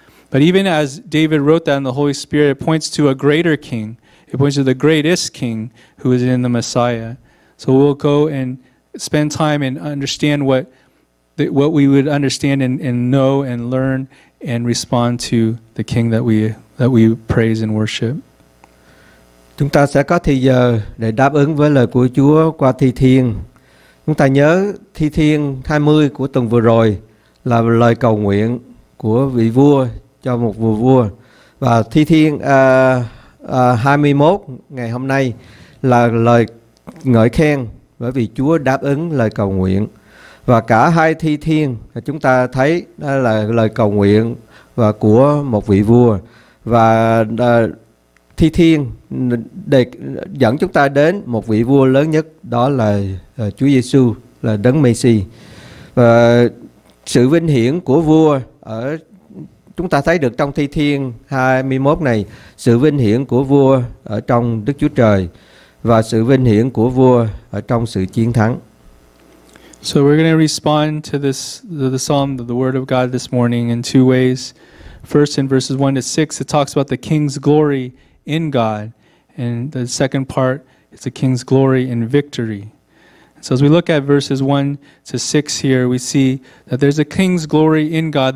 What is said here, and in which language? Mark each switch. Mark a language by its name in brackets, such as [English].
[English] But even as David wrote that in the Holy Spirit, it points to a greater king. It points to the greatest king who is in the Messiah. So we'll go and spend time and understand what we would understand and know and learn and respond to the King that we praise and worship. [Vietnamese] Chúng ta sẽ có thời giờ để đáp ứng với lời của Chúa qua Thi Thiên. Chúng ta nhớ Thi Thiên 20 của tuần vừa rồi là lời cầu nguyện của vị vua cho một vị vua, và Thi Thiên 21 ngày hôm nay là lời ngợi khen bởi vì Chúa đáp ứng lời cầu nguyện. Và cả hai thi thiên chúng ta thấy đó là lời cầu nguyện và của một vị vua. Và thi thiên để dẫn chúng ta đến một vị vua lớn nhất, đó là Chúa Giê-xu, là Đấng Mê-si. Và sự vinh hiển của vua ở chúng ta thấy được trong Thi Thiên 21 này, sự vinh hiển của vua ở trong Đức Chúa Trời và sự vinh hiển của vua ở trong sự chiến thắng. [English] So we're going to respond to this, the psalm, the word of God this morning in two ways. First, in verses 1 to 6, it talks about the king's glory in God. And the second part, it's the king's glory in victory. So as we look at verses 1 to 6 here, we see that there's a king's glory in God.